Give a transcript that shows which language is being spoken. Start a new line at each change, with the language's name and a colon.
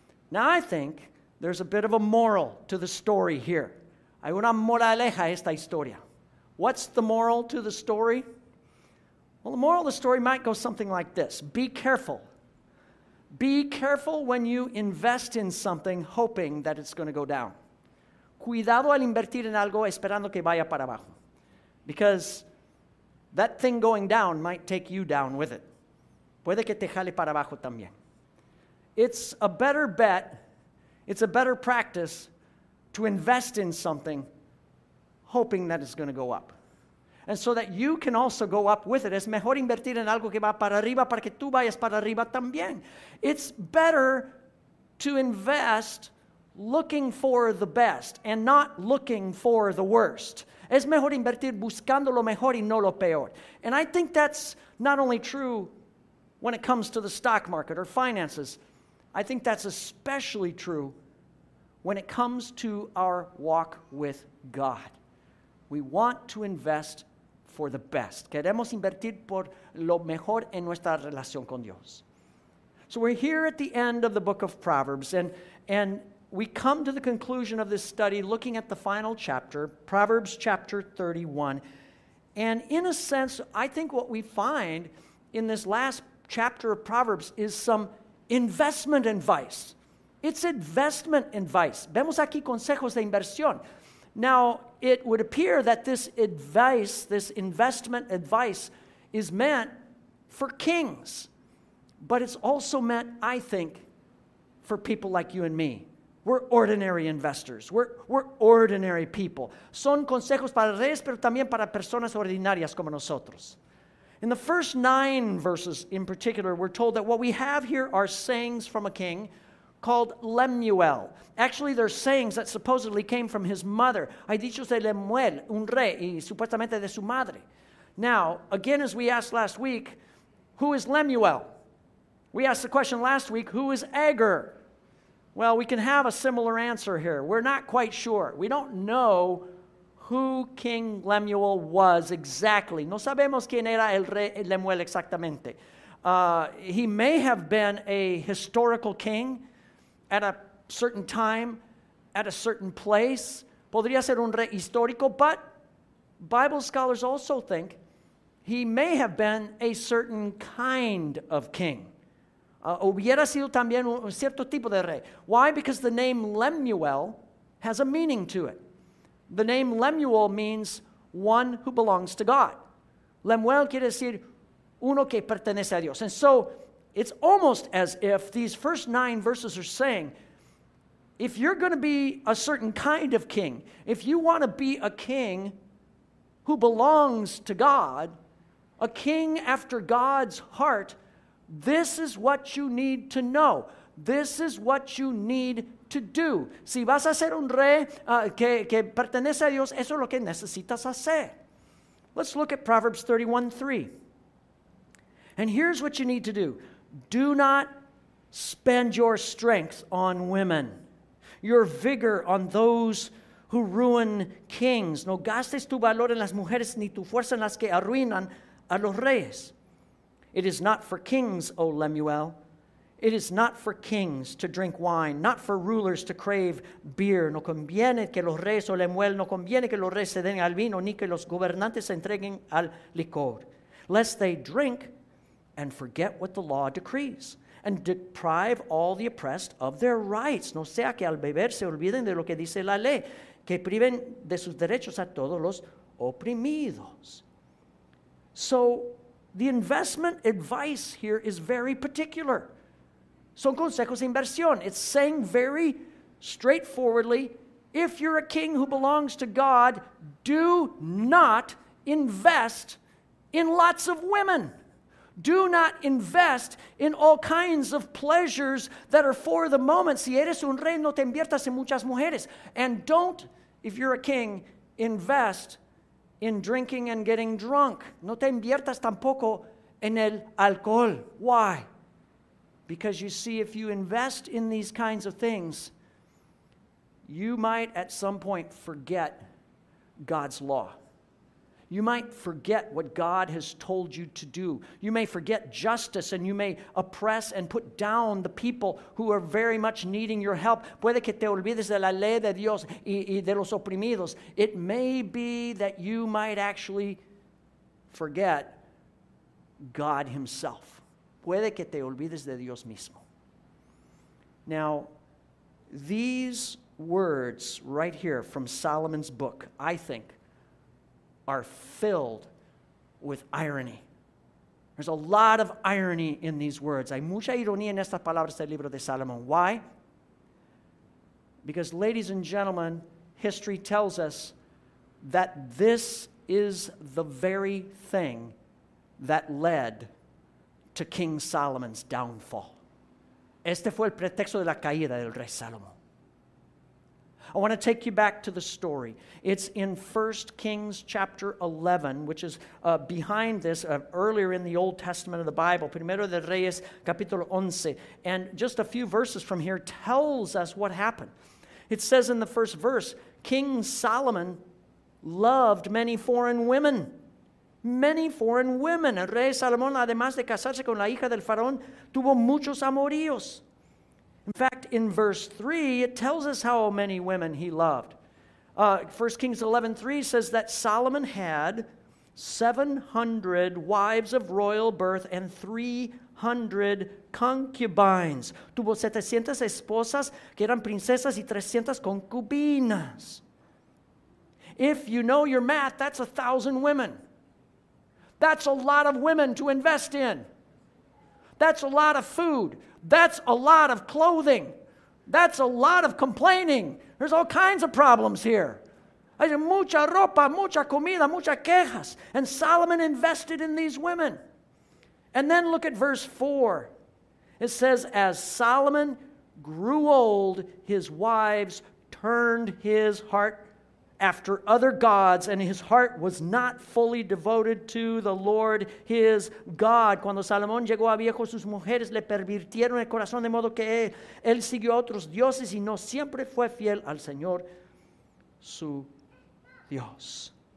English: Now I think there's a bit of a moral to the story here.
Spanish: Hay una moraleja a esta historia.
English: What's the moral to the story? Well, the moral of the story might go something like this. Be careful. Be careful when you invest in something hoping that it's going to go down.
Spanish: Cuidado al invertir en algo esperando que vaya para abajo.
English: Because that thing going down might take you down with it.
Spanish: Puede que te jale para abajo también.
English: It's a better bet, it's a better practice to invest in something hoping that it's going to go up. And so that you can also go up with it.
Spanish: Es mejor invertir en algo que va para arriba para que tú vayas para arriba también.
English: It's better to invest looking for the best and not looking for the worst.
Spanish: Es mejor invertir buscando lo mejor y no lo peor.
English: And I think that's not only true when it comes to the stock market or finances. I think that's especially true when it comes to our walk with God. We want to invest for the best.
Spanish: Queremos invertir por lo mejor en nuestra relación con Dios.
English: So we're here at the end of the book of Proverbs, and we come to the conclusion of this study looking at the final chapter, Proverbs chapter 31. And in a sense, I think what we find in this last chapter of Proverbs is some investment advice. It's investment advice.
Spanish: Vemos aquí consejos de inversión.
English: Now, it would appear that this advice, this investment advice, is meant for kings. But it's also meant, I think, for people like you and me. We're ordinary investors. We're ordinary people.
Spanish: Son consejos para reyes, pero también para personas ordinarias como nosotros.
English: In the first 9 verses in particular, we're told that what we have here are sayings from a king called Lemuel. Actually, they're sayings that supposedly came from his mother.
Spanish: Hay dichos de Lemuel, un rey, y supuestamente de su madre.
English: Now, again, as we asked last week, who is Lemuel? We asked the question last week, who is Agur? Well, we can have a similar answer here. We're not quite sure. We don't know who King Lemuel was exactly.
Spanish: No sabemos quién era el rey Lemuel exactamente.
English: He may have been a historical king at a certain time, at a certain place.
Spanish: Podría ser un rey histórico,
English: but Bible scholars also think he may have been a certain kind of king.
Spanish: Hubiera sido también un cierto tipo de rey.
English: Why? Because the name Lemuel has a meaning to it. The name Lemuel means one who belongs to God.
Spanish: Lemuel quiere decir uno que pertenece a Dios.
English: And so it's almost as if these first 9 verses are saying, if you're going to be a certain kind of king, if you want to be a king who belongs to God, a king after God's heart, this is what you need to know. This is what you need to do.
Spanish: Si vas a ser un rey que pertenece a Dios, eso es lo que necesitas hacer.
English: Let's look at Proverbs 31:3. And here's what you need to do. Do not spend your strength on women, your vigor on those who ruin kings.
Spanish: No gastes tu valor en las mujeres ni tu fuerza en las que arruinan a los reyes.
English: It is not for kings, O Lemuel. It is not for kings to drink wine, not for rulers to crave beer.
Spanish: No conviene que los reyes, O Lemuel, no conviene que los reyes se den al vino, ni que los gobernantes se entreguen al licor.
English: Lest they drink and forget what the law decrees, and deprive all the oppressed of their rights.
Spanish: No sea que al beber se olviden de lo que dice la ley, que priven de sus derechos a todos los oprimidos.
English: So, the investment advice here is very particular.
Spanish: Son consejos de inversión.
English: It's saying very straightforwardly, if you're a king who belongs to God, do not invest in lots of women. Do not invest in all kinds of pleasures that are for the moment.
Spanish: Si eres un rey, no te inviertas en muchas mujeres.
English: And don't, if you're a king, invest in drinking and getting drunk.
Spanish: No te inviertas tampoco en el alcohol.
English: Why? Because you see, if you invest in these kinds of things, you might at some point forget God's law. You might forget what God has told you to do. You may forget justice, and you may oppress and put down the people who are very much needing your help.
Spanish: Puede que te olvides de la ley de Dios y de los oprimidos.
English: It may be that you might actually forget God himself.
Spanish: Puede que te olvides de Dios mismo.
English: Now, these words right here from Solomon's book, I think, are filled with irony. There's a lot of irony in these words.
Spanish: Hay mucha ironía en estas palabras del libro de Salomón.
English: Why? Because, ladies and gentlemen, history tells us that this is the very thing that led to King Solomon's downfall.
Spanish: Este fue el pretexto de la caída del rey Salomón.
English: I want to take you back to the story. It's in 1 Kings chapter 11, which is behind this, earlier in the Old Testament of the Bible.
Spanish: Primero de Reyes, capítulo 11.
English: And just a few verses from here tells us what happened. It says in the first verse, King Solomon loved many foreign women. Many foreign women.
Spanish: El rey Salomón, además de casarse con la hija del faraón, tuvo muchos amoríos.
English: In fact, in verse 3, it tells us how many women he loved. 1 Kings 11:3 says that Solomon had 700 wives of royal birth and 300 concubines.
Spanish: Tuvo 700 esposas que eran princesas y 300 concubinas.
English: If you know your math, that's 1,000 women. That's a lot of women to invest in. That's a lot of food. That's a lot of clothing. That's a lot of complaining. There's all kinds of problems here.
Spanish: Hay mucha ropa, mucha comida, muchas quejas.
English: And Solomon invested in these women. And then look at verse 4. It says, as Solomon grew old, his wives turned his heart after other gods, and his heart was not fully devoted to the Lord his God.
Spanish: Cuando Salomón llegó a viejo, sus mujeres le pervirtieron el corazón, de modo que él siguió a otros dioses y no siempre fue fiel al Señor su Dios.